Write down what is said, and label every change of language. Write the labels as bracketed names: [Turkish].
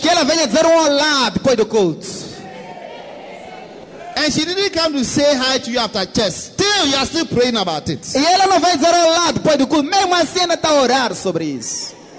[Portuguese] Que ela venha dizer olá depois do culto. [English] And she didn't come to say hi to you after church. Still, you are still praying about it. [Portuguese] E ela não vai dizer olá depois do culto. Mesmo assim, ainda está a orar sobre isso.